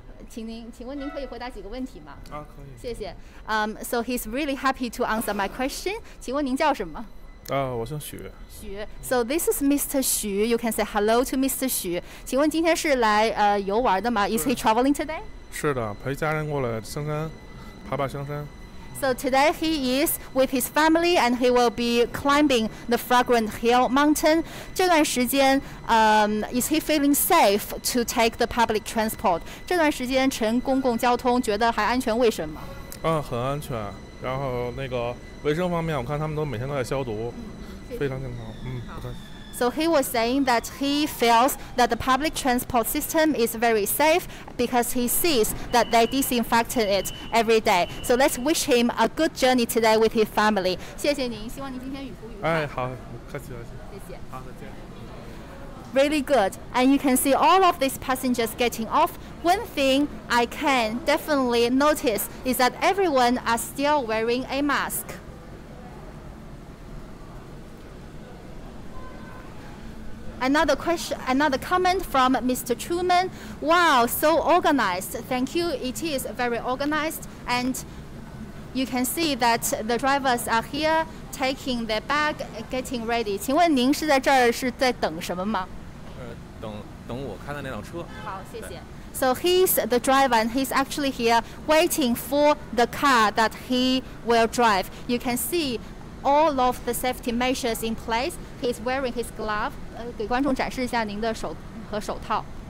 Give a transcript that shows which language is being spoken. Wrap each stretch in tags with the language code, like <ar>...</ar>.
<zh>请问您可以回答几个问题吗？啊，可以。谢谢。</zh> <en>So he's really happy to answer my question.</en> <zh>请问您叫什么？啊，我叫许。</zh> <en>许。So this is Mr. Xu. You can say hello to Mr. Xu.</en> <zh>请问今天是来游玩的吗 ？</zh> <en>Is he traveling today?</en> <zh>是的，陪家人过来香山，爬爬香山。</zh> <en>So today he is with his family and he will be climbing the fragrant hill mountain.</en> <zh>这段时间</zh> <en>is he feeling safe to take the public transport?</en> <zh>这段时间乘公共交通觉得还安全，为什么？嗯，很安全。然后那个卫生方面，我看他们都每天都在消毒，非常健康。嗯，不客气。</zh> <en>So he was saying that he feels that the public transport system is very safe because he sees that they disinfect it every day. So let's wish him a good journey today with his family.</en> <zh>谢谢您，希望您今天雨服愉快。哎，好，客气客气。谢谢。好，再见。</zh> <en>Really good. And you can see all of these passengers getting off. One thing I can definitely notice is that everyone are still wearing a mask. Another comment from Mr. Truman. Wow, so organized. Thank you. It is very organized. And you can see that the drivers are here taking their bag, getting ready.</en> <zh>请问您是在这儿是在等什么吗？等我开的那辆车。好，谢谢。</zh> <en>So he's the driver and he's actually here waiting for the car that he will drive. You can see all of the safety measures in place. He's wearing his glove.</en> <zh>给观众展示一下您的手和手套。</zh>